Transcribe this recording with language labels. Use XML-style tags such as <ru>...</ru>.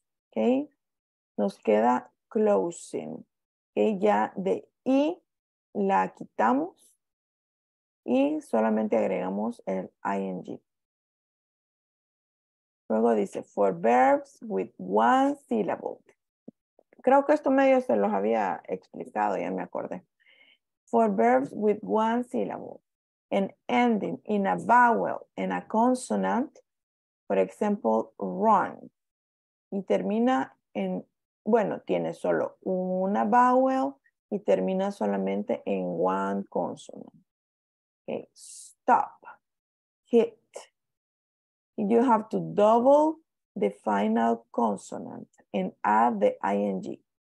<es>Okay, nos queda closing. Okay, ya de E la quitamos y solamente agregamos el ing. Luego dice,</es> <en>for verbs with one syllable.</en> <es>Creo que esto medio se los había explicado, ya me acordé.</es> <en>For verbs with one syllable and ending in a vowel and a consonant, for example, run.</en> <es>Y termina en, bueno, tiene solo una vowel y termina solamente en</es> <en>one consonant. Okay, stop, hit. You have to double the final consonant and add the ing.</en>